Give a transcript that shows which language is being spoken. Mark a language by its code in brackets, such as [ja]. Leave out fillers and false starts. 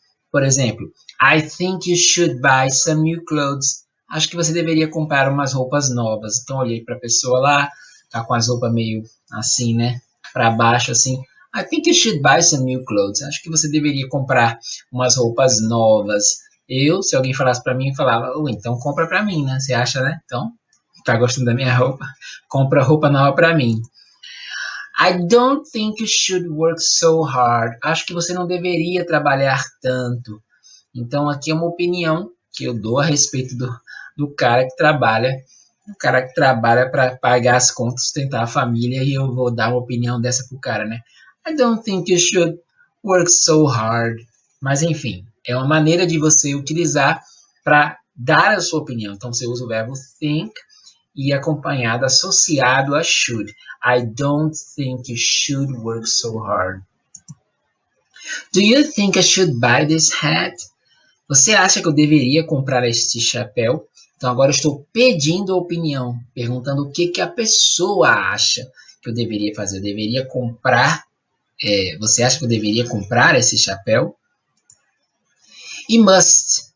[pt] Por exemplo, [en] I think you should buy some new clothes. [pt] Acho que você deveria comprar umas roupas novas. Então, olhei para a pessoa lá, tá com as roupas meio assim, né? Para baixo, assim. [en] I think you should buy some new clothes. [pt] Acho que você deveria comprar umas roupas novas. Eu, se alguém falasse para mim, falava, oh, então compra para mim, né? Você acha, né? Então, tá gostando da minha roupa? Compra roupa nova para mim. [en] I don't think you should work so hard. [pt] Acho que você não deveria trabalhar tanto. Então, aqui é uma opinião que eu dou a respeito do cara que trabalha. O cara que trabalha para pagar as contas, sustentar a família, e eu vou dar uma opinião dessa pro cara, né? [en] I don't think you should work so hard. [pt] Mas, enfim, é uma maneira de você utilizar para dar a sua opinião. Então, você usa o verbo think. E acompanhado, associado a should. [en] I don't think you should work so hard. Do you think I should buy this hat? [pt] Você acha que eu deveria comprar este chapéu? Então agora eu estou pedindo opinião, perguntando o que que a pessoa acha que eu deveria fazer. Eu deveria comprar? Você acha que eu deveria comprar esse chapéu? E must.